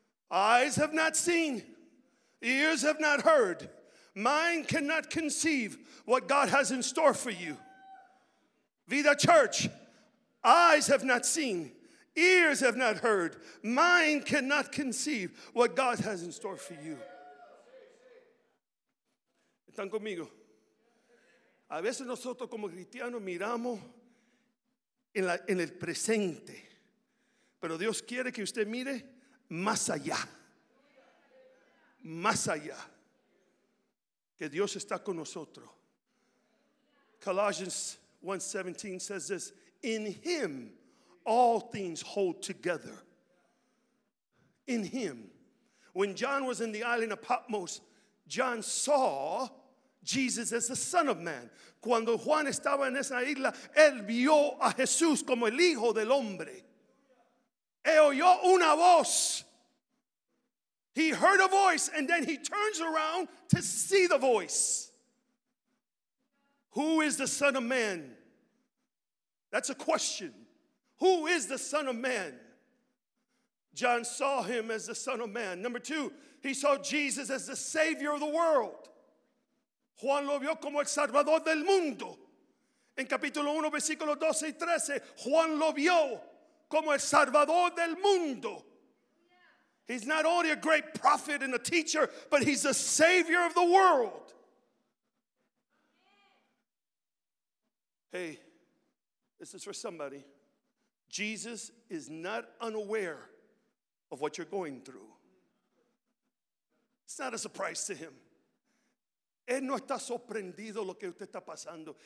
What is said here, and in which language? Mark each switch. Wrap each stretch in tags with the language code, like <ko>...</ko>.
<en>Eyes have not seen, ears have not heard, mind cannot conceive what God has in store for you. Vida Church, eyes have not seen, ears have not heard, mind cannot conceive what God has in store for you.</en> <es>¿Están conmigo? A veces nosotros como cristianos miramos en el presente, pero Dios quiere que usted mire más allá. Más allá. Que Dios está con nosotros.</es> <en>Colossians 1:17 says this, in him all things hold together. In him. When John was in the island of Patmos, John saw Jesus as the Son of Man.</en> <es>Cuando Juan estaba en esa isla, él vio a Jesús como el Hijo del Hombre. E oyó una voz.</es> <en>He heard a voice and then he turns around to see the voice. Who is the Son of Man? That's a question. Who is the Son of Man? John saw him as the Son of Man. Number two, he saw Jesus as the Savior of the world.</en> <es>Juan lo vio como el Salvador del mundo. En capítulo 1, versículo 12 y 13, Juan lo vio como el Salvador del mundo.</es> <en>He's not only a great prophet and a teacher, but he's the Savior of the world. Hey, this is for somebody. Jesus is not unaware of what you're going through. It's not a surprise to him.</en> <es>Él no está sorprendido lo que usted está pasando.</es>